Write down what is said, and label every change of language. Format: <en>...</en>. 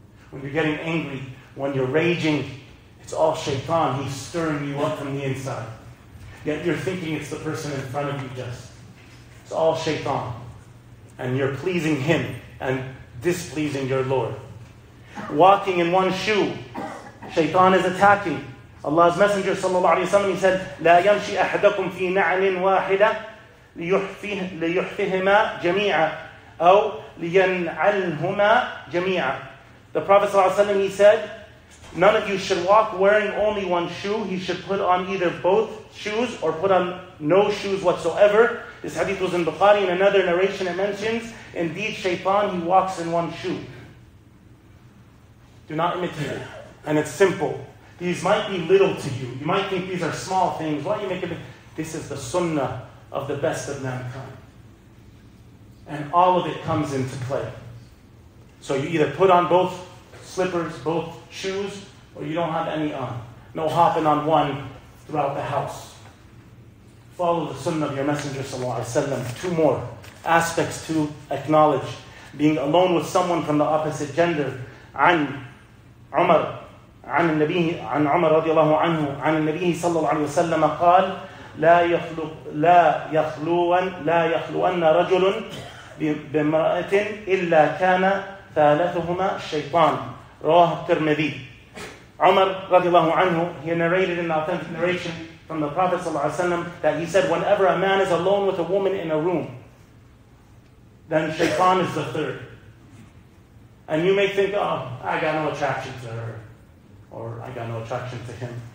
<en>When you're getting angry, when you're raging, it's all shaytan. He's stirring you up from the inside. Yet you're thinking it's the person in front of you just. It's all shaytan. And you're pleasing him and displeasing your Lord. Walking in one shoe, shaytan is attacking. Allah's Messenger sallallahu alayhi wa sallam, he said,</en> <ar>لَا يَمْشِي أَحْدَكُمْ فِي نَعْلٍ وَاحِدَةٍ لِيُحْفِهِمَا جَمِيعًا أَوْ لِيَنْعَلْهُمَا جَمِيعًا.</ar> <en>The Prophet sallallahu alayhi wa sallam, he said, none of you should walk wearing only one shoe. He should put on either both shoes or put on no shoes whatsoever. This hadith was in Bukhari. In another narration it mentions, indeed shaytan, he walks in one shoe. Do not imitate it. And it's simple. These might be little to you. You might think these are small things. Why do you make a big... This is the sunnah of the best of mankind. And all of it comes into play. So you either put on both slippers, both shoes, or you don't have any on. No hopping on one throughout the house. Follow the sunnah of your Messenger sallallahu alaihi wasallam. Two more aspects to acknowledge. Being alone with someone from the opposite gender.</en> <ar>عن عمر عن النبي عن عمر رضي الله عنه عن النبي صلى الله عليه وسلم قال لا يخلو لا يخلوان لا يخلوان رجل بامرأة إلا كان ثالثهما الشيطان. رواه الترمذي.</ar> <en>عمر</en> <ar>رضي الله عنه,</ar> <en>he narrated in the authentic narration from the Prophet</en> <ar>صلى الله عليه وسلم</ar> <en>that he said, whenever a man is alone with a woman in a room, then shaytan is the third. And you may think, oh, I got no attraction to her, or I got no attraction to him.</en>